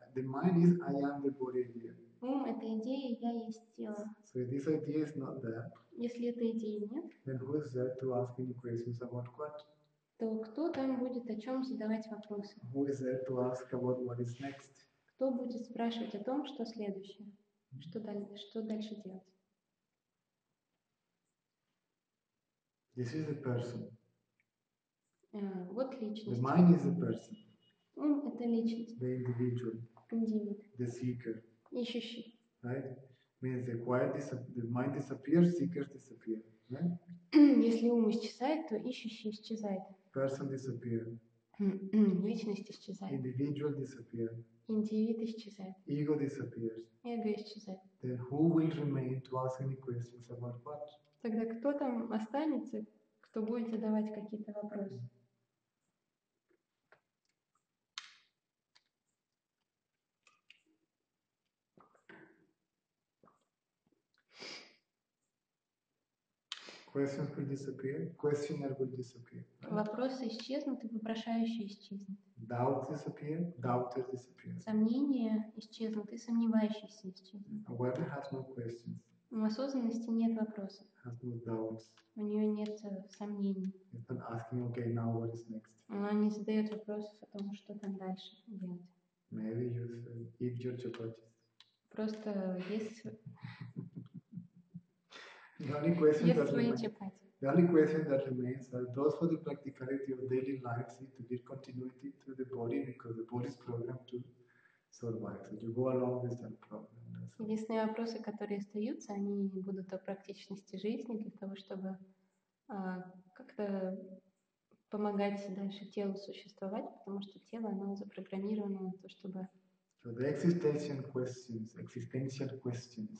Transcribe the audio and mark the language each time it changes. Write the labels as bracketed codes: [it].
[en] The mind is I am the body here. [ru] Ум – это идея, я есть тело. [en] So this idea is not there. [ru] Если этой идеи нет, [en] then who is there to ask any questions about what? [ru] То кто там будет о чем задавать вопросы? [en] Who is there to ask about what is next? [ru] Кто будет спрашивать о том, что следующее? Mm-hmm. Что дальше делать? [en] This is a person. [ru] Вот личность. [en] The mind is a person. [ru] Ум – это личность. [en] The individual. [ru] Индивид. [en] The seeker. [ru] Ищущий. [en] Right? Means the quiet the mind disappears, seeker disappears. Right? [ru] Если ум исчезает, то ищущий исчезает. [en] Person disappears. [ru] Личность исчезает. [en] Individual disappears. [ru] Индивид исчезает. [en] Ego disappears. [ru] Эго исчезает. [en] Then who will remain to ask any questions about what? [ru] Тогда кто там останется, кто будет задавать какие-то вопросы? [en] Questions will disappear. Questioner will disappear. Right? [ru] Вопросы исчезнут, и вопрошающий исчезнет. [en] Doubt disappear. Doubter disappear. [ru] Сомнения исчезнут, и сомневающийся исчезнет. [en] Aware has no questions. [ru] У осознанности нет вопросов. [en] Has no doubts. [ru] У нее нет сомнений. [en] It's not asking, okay, now what is next? [ru] Она не задает вопросов о том, что там дальше делать. [en] Maybe you eat your chocolate. [ru] Просто есть. [en] The only question that remains are those for the practicality of daily life, see, to give continuity to the body, because the body is programmed to survive. So you go along with that problem. [ru] Единственные вопросы, которые остаются, они будут о практичности жизни для того, чтобы как-то помогать дальше телу существовать, потому что тело, оно запрограммировано на то, чтобы. [en] So the existential questions.